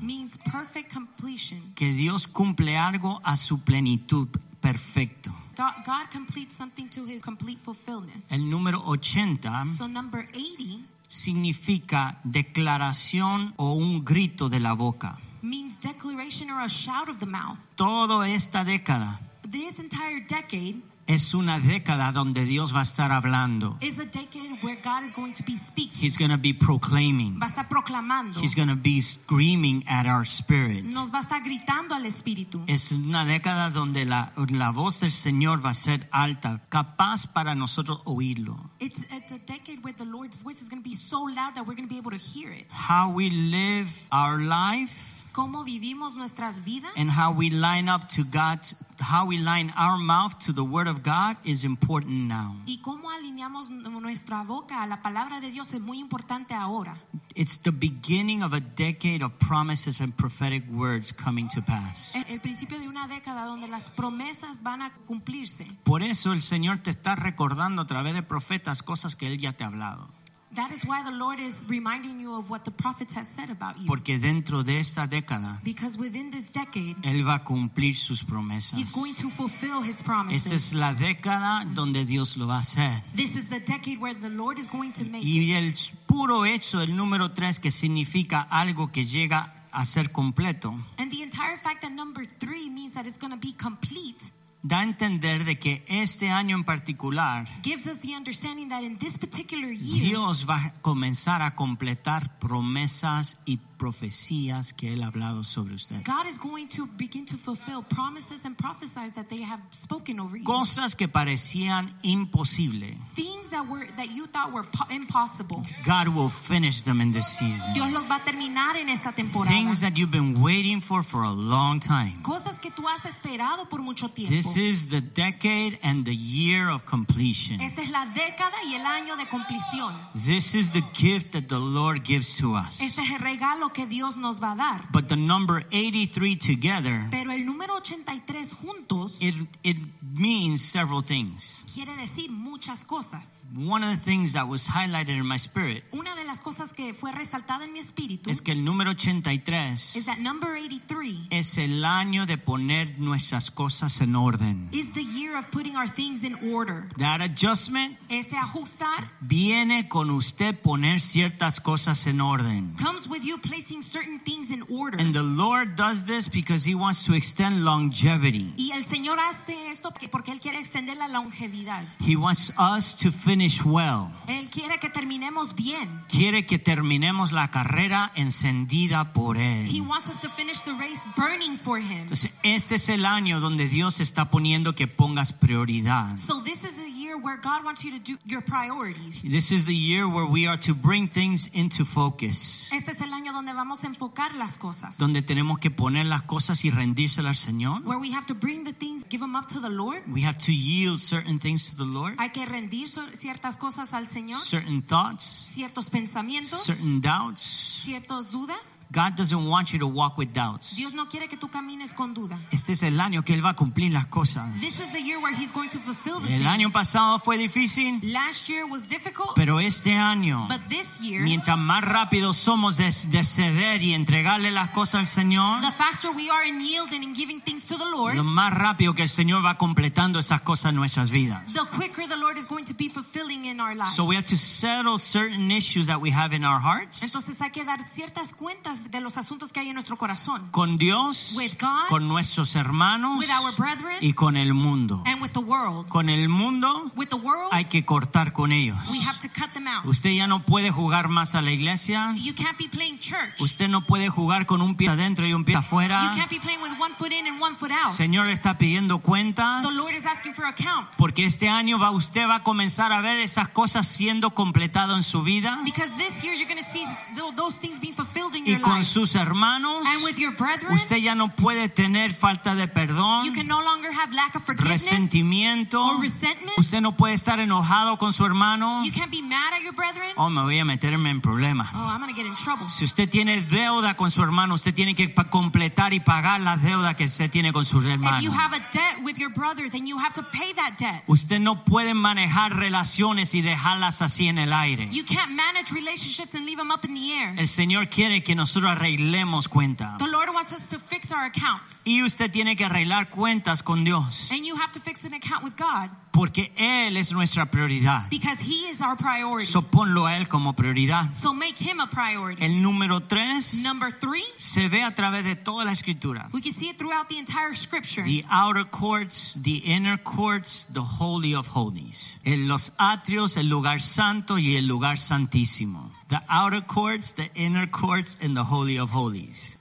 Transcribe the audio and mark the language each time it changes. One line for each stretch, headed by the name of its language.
English: Means perfect completion.
Spanish: Que Dios cumple algo a su plenitud. Perfecto.
English: God completes something to his complete fulfillment.
Spanish: El número 80.
English: So number 80.
Spanish: Significa declaración o un grito de la boca.
English: Means declaration or a shout of the mouth.
Spanish: Todo esta década.
English: This entire decade.
Spanish: Es una década donde Dios va a estar hablando.
English: Is a decade where God is going to be speaking. He's going to be proclaiming.
Spanish: Va a estar proclamando.
English: He's going to be screaming at our spirit.
Spanish: Nos va a estar gritando al espíritu. Es una década donde la voz del Señor va a ser alta, capaz para nosotros oírlo.
English: It's a decade where the Lord's voice is going to be so loud that we're going to be able to hear it. How we live our life.
Spanish: Cómo vivimos nuestras vidas.
English: And how we line up to God's. How we line our mouth to the word of God is important now.
Spanish: Y cómo alineamos nuestra boca a la palabra de Dios es muy importante ahora.
English: It's the beginning of a decade of promises and prophetic words coming to pass.
Spanish: El principio de una década donde las promesas van a cumplirse. Por eso el Señor te está recordando a través de profetas cosas que Él ya te ha hablado.
English: That is why the Lord is reminding you of what the prophets have said about you.
Spanish: Porque dentro de esta década,
English: because within this decade,
Spanish: Él va a cumplir sus promesas.
English: He's going to fulfill his promises.
Spanish: Esta es la década donde Dios lo va a hacer.
English: This is the decade where the Lord is going to make it.
Spanish: Y el puro hecho, el número tres, que significa algo que llega a ser completo.
English: And the entire fact that number three means that it's going to be complete.
Spanish: Da a entender de que este año en particular,
English: gives us the understanding that in this particular year,
Spanish: Dios va a comenzar a completar promesas y profecías que Él ha hablado sobre ustedes.
English: God is going to begin to fulfill promises and prophecies that they have spoken over you.
Spanish: Cosas que parecían imposible.
English: Things that you thought were impossible. God will finish them in this season.
Spanish: Dios los va a terminar en esta temporada.
English: Things that you've been waiting for a long time.
Spanish: Cosas que tú has esperado por mucho tiempo.
English: This is the decade and the year of completion.
Spanish: Esta es la década y el año de cumplición.
English: This is the gift that the Lord gives to us.
Spanish: Este es el regalo. Que Dios nos va a dar.
English: But the number 83 together,
Spanish: pero el número 83 juntos,
English: it means several things.
Spanish: Quiere decir muchas cosas.
English: One of the things that was highlighted in my spirit,
Spanish: una de las cosas que fue resaltada en mi espíritu, es que el número 83,
English: is that number 83,
Spanish: es el año de poner nuestras cosas en orden,
English: is the year of putting our things in order. That adjustment,
Spanish: ese ajustar, viene con usted poner ciertas cosas en orden,
English: comes with you placing certain things in order. And the Lord does this because he wants to extend longevity.
Spanish: Y el Señor hace esto porque él quiere extender la longevidad.
English: He wants us to finish well.
Spanish: Él quiere que terminemos bien. Quiere que terminemos la carrera encendida por él.
English: He wants us to finish the race burning for him.
Spanish: Entonces, este es el año donde Dios está poniendo que pongas prioridad.
English: So this is the year where God wants you to do your priorities. This is the year where we are to bring things into focus.
Spanish: Este es el año donde vamos a enfocar las cosas. Donde tenemos que poner las cosas y rendírselas al Señor.
English: Where we have to bring the things, give them up to the Lord. We have to yield certain things to the Lord.
Spanish: Hay que rendir ciertas cosas al Señor.
English: Certain thoughts.
Spanish: Ciertos pensamientos.
English: Certain doubts.
Spanish: Ciertas dudas.
English: God doesn't want you to walk with doubts.
Spanish: Dios no quiere que tú camines con duda. Este es el año que él va a cumplir las cosas.
English: This is the year where he's going to fulfill the
Spanish: el
English: things.
Spanish: El año pasado fue difícil.
English: Last year was difficult.
Spanish: Pero este año.
English: But this year.
Spanish: Mientras más rápido somos de ceder y entregarle las cosas al Señor.
English: The faster we are in yielding and giving things to the Lord.
Spanish: Lo más rápido que el Señor va completando esas cosas en nuestras vidas.
English: The quicker the Lord is going to be fulfilling in our lives. So we have to settle certain issues that we have in our hearts.
Spanish: Entonces hay que dar ciertas cuentas de los asuntos que hay en nuestro corazón. Con Dios.
English: With God.
Spanish: Con nuestros hermanos.
English: With our brethren.
Spanish: Y con el mundo.
English: And with the world.
Spanish: Con el mundo.
English: With the world.
Spanish: Hay que cortar con ellos.
English: We have to cut them out.
Spanish: Usted ya no puede jugar más a la iglesia.
English: You can't be playing church.
Spanish: Usted no puede jugar con un pie adentro y un pie afuera.
English: You can't be playing with one foot in and one foot out.
Spanish: Señor está pidiendo cuentas.
English: The Lord is asking for accounts.
Spanish: Porque este año usted va a comenzar a ver esas cosas siendo completado en su vida.
English: Because this year you're going to see those things being fulfilled in
Spanish: y
English: your life.
Spanish: Con sus hermanos,
English: and with your brethren,
Spanish: usted ya no puede tener falta de perdón,
English: you can no longer have lack of forgiveness,
Spanish: resentimiento,
English: or resentment.
Spanish: Usted no no puede estar enojado con su hermano.
English: You can't be mad at your brethren.
Spanish: Oh, me voy a meterme en problemas.
English: Oh, I'm going to get in trouble.
Spanish: Si usted tiene deuda con su hermano, usted tiene que completar y pagar la deuda que usted tiene con su hermano.
English: If you have a debt with your brother, then you have to pay that debt.
Spanish: Usted no puede manejar relaciones y dejarlas así en el aire.
English: You can't manage relationships and leave them up in the air.
Spanish: El Señor quiere que nosotros arreglemos cuentas.
English: The Lord wants us to fix our accounts.
Spanish: Y usted tiene que arreglar cuentas con Dios.
English: And you have to fix an account with God.
Spanish: Porque Él es nuestra prioridad.
English: Because He is our priority.
Spanish: So ponlo a Él como prioridad.
English: So make Him a priority.
Spanish: El número tres.
English: Number three.
Spanish: Se ve a través de toda la escritura.
English: We can see it throughout the entire scripture. The outer courts, the inner courts, the holy of holies.
Spanish: En los atrios, el lugar santo y el lugar santísimo.
English: The outer courts, the inner courts, and the holy of holies.